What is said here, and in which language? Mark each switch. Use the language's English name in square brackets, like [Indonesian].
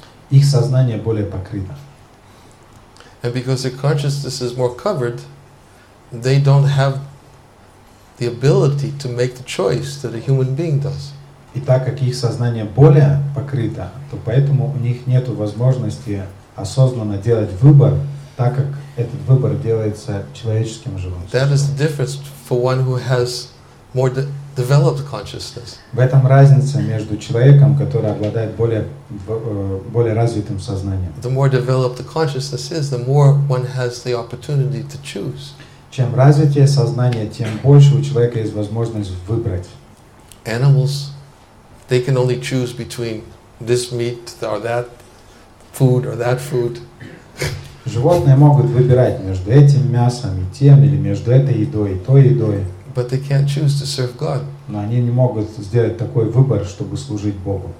[Russian] Их сознание более покрыто. [English] And because their consciousness is more covered, they don't have the ability to make the choice that a human being does. [Russian] И так как их сознание более покрыто, то поэтому у них нету возможности осознанно делать выбор, так как этот выбор делается человеческим живым. [English] That is the difference for one who has more developed consciousness. [Russian] В этом разница между человеком, который обладает более развитым сознанием. [English] The more developed the consciousness is, the more one has the opportunity to choose. [Russian] Чем развитее сознание, тем больше у человека есть возможность выбрать. [English] Animals, they can only choose between this meat or that food or that food. [Russian] Животные могут выбирать между этим мясом и тем, или между этой едой и той едой. [English] But they can't choose to serve God. [Russian] Но они не могут сделать такой выбор, чтобы служить Богу.